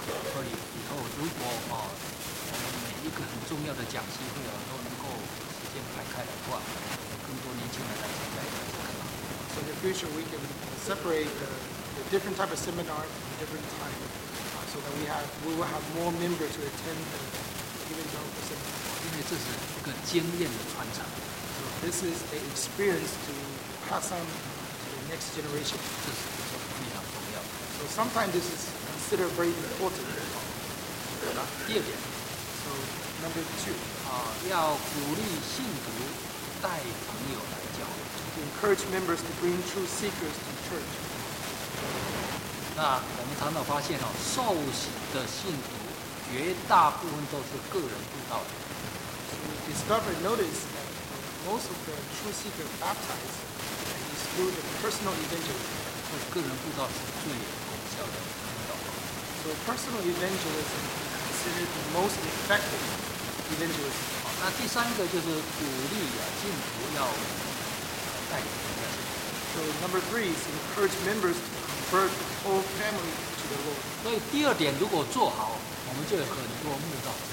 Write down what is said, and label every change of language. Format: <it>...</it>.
<zh>所以以后如果啊，我们每一个很重要的讲师会啊都能够时间排开的话，更多年轻人来参加这个课。</zh> <en>So in the future we can separate the different type of seminar at different time, so that we will have more members to attend the evangelical seminar. So this is an experience to pass on to the next generation. So sometimes this is considered very important. So number two,</en> <zh>要鼓励信徒带朋友来教会</zh> <en>to encourage members to bring true seekers to church.</en> <zh>那我们常常发现哦，受洗的信徒绝大部分都是个人布道的。</zh> <en>So we discovered, notice that most of the true seekers baptized is through the personal evangelism.</en> <zh>个人布道是最有效的布道。</zh> <en>So personal evangelism is considered the most effective evangelism.</en> <zh>好，那第三个就是鼓励啊，信徒要带领人家信徒。</zh> <en>So number three is encourage members to convert the whole family to the Lord.</en> <zh>所以第二点如果做好，我们就有很多慕道。</zh>